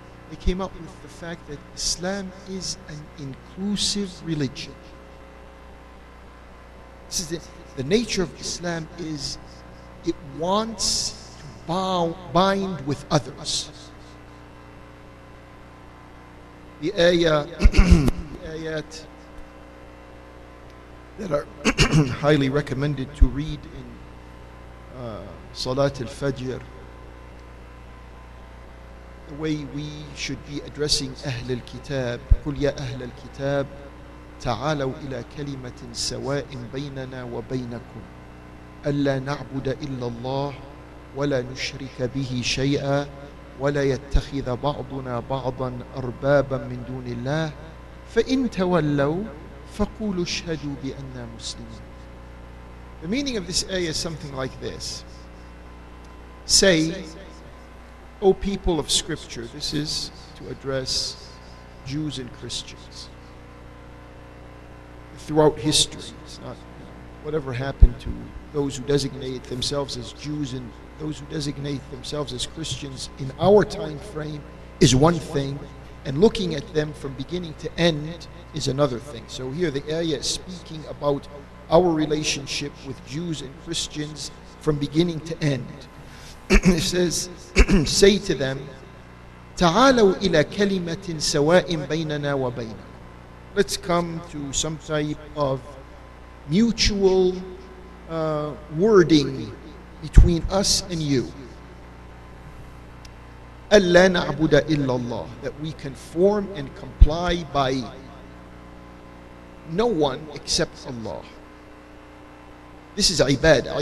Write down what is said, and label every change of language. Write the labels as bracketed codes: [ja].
[en] they came up with the fact that Islam is an inclusive religion. This is the nature of Islam is it wants to bind with others. The ayah, the ayat that are highly recommended to read in Salat al-Fajr, the way we should be addressing Ahl al-Kitab, [ar] قُلْ يَا أَهْلَ الْكِتَابِ تَعَالَوْا إِلَىٰ كَلِمَةٍ سَوَاءٍ بَيْنَنَا وَبَيْنَكُمْ أَلَّا نَعْبُدَ إِلَّا اللَّهِ وَلَا نُشْرِكَ بِهِ شَيْئًا وَلَا يَتَّخِذَ بَعْضُنَا بَعْضًا أَرْبَابًا مِنْ دُونِ اللَّهِ فَإِنْ تَوَلَّوْا فَقُولُوا اشْهَدُوا بِأَنَّا مُسْلِمُونَ. [en] The meaning of this ayah is something like this. Say, O people of Scripture, this is to address Jews and Christians throughout history. It's not whatever happened to those who designated themselves as Jews and those who designate themselves as Christians in our time frame is one thing, and looking at them from beginning to end is another thing. So here the ayah is speaking about our relationship with Jews and Christians from beginning to end. It says, say to them, [ar] تعالوا إلى كلمة سواء بيننا وبينكم. [en] Let's come to some type of mutual wording between us and you. [ar] ألا نعبد إلا الله. [en] That we conform and comply by no one except Allah. This is ibadah.